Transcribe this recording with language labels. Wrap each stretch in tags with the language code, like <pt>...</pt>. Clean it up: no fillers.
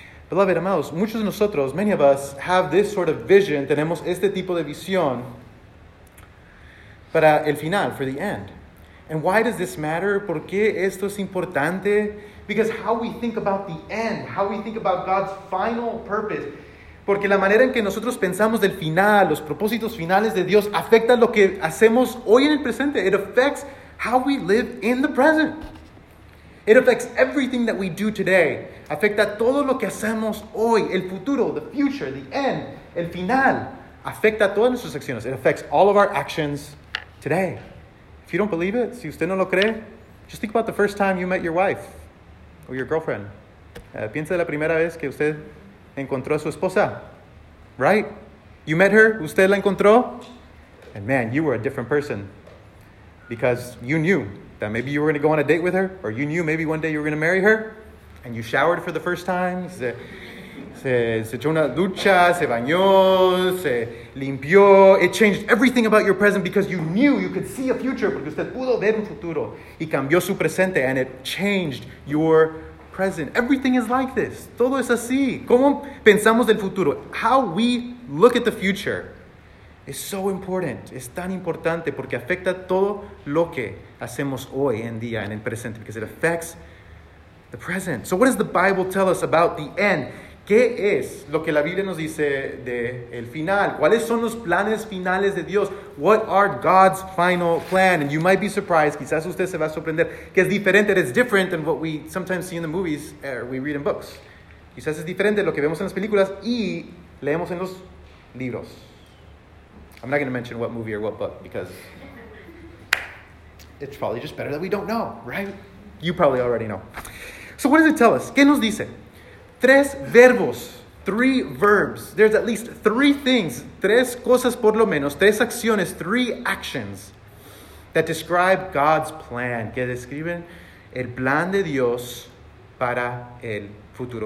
<en>Beloved,</en> <es>amados, muchos de nosotros,</es> <en>many of us, have this sort of vision.</en> <es>Tenemos este tipo de visión para el final,</es> <en>for the end. And why does this matter?</en> <es>¿Por qué esto es importante?</es> <en>Because how we think about the end, how we think about God's final purpose.</en> <es>Porque la manera en que nosotros pensamos del final, los propósitos finales de Dios, afecta lo que hacemos hoy en el presente.</es> <en>It affects how we live in the present. It affects everything that we do today.</en> <es>Afecta todo lo que hacemos hoy, el futuro,</es> <en>the future, the end,</en> <es>el final. Afecta todas nuestras acciones.</es> <en>It affects all of our actions today. If you don't believe it,</en> <es>si usted no lo cree,</es> <en>just think about the first time you met your wife. Or your girlfriend.</en> <es>Piensa de la primera vez que usted encontró a su esposa.</es> <en>Right? You met her.</en> <es>Usted la encontró.</es> <en>And man, you were a different person. Because you knew that maybe you were going to go on a date with her. Or you knew maybe one day you were going to marry her. And you showered for the first time.</en> <es>Se echó una ducha. Se bañó. Se limpió.</es> <en>It changed everything about your present because you knew you could see a future.</en> <es>Porque usted pudo ver un futuro. Y cambió su presente.</es> <en>And it changed your present. Everything is like this.</en> <es>Todo es así. ¿Cómo pensamos del futuro?</es> <en>How we look at the future is so important.</en> <es>Es tan importante porque afecta todo lo que hacemos hoy en día en el presente.</es> <en>Because it affects the present. So what does the Bible tell us about the end?</en> <es>¿Qué es lo que la Biblia nos dice de el final? ¿Cuáles son los planes finales de Dios?</es> <en>What are God's final plan? And you might be surprised,</en> <es>quizás usted se va a sorprender, que es diferente,</es> <en>it's different than what we sometimes see in the movies or we read in books.</en> <es>Quizás es diferente lo que vemos en las películas y leemos en los libros.</es> <en>I'm not going to mention what movie or what book because it's probably just better that we don't know, right? You probably already know. So what does it tell us?</en> <es>¿Qué nos dice? Tres verbos,</es> <en>three verbs. There's at least three things,</en> <es>tres cosas por lo menos, tres acciones,</es> <en>three actions that describe God's plan,</en> <es>que describen el plan de Dios para el futuro.</es>